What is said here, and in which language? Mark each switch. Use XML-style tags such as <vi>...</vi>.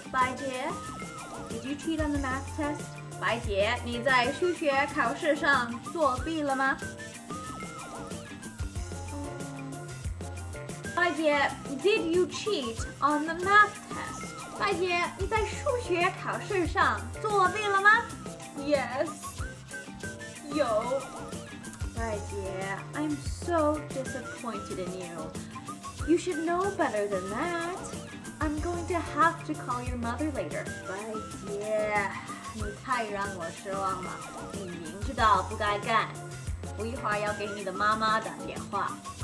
<en>白姐 did you cheat on the math test?</en> <zh>白姐你在数学考试上作弊了吗？</zh> <en>白姐 did you cheat on the math test?</en> <zh>白姐你在数学考试上作弊了吗？</zh> <en>Yes,</en> <zh>有。</zh> <en>白姐 I'm so disappointed in you. You should know better than that. I'm going to have to call your mother later.</en> <zh>白姐你太让我失望了，你明知道不该干，我一会儿要给你的妈妈打电话。</zh>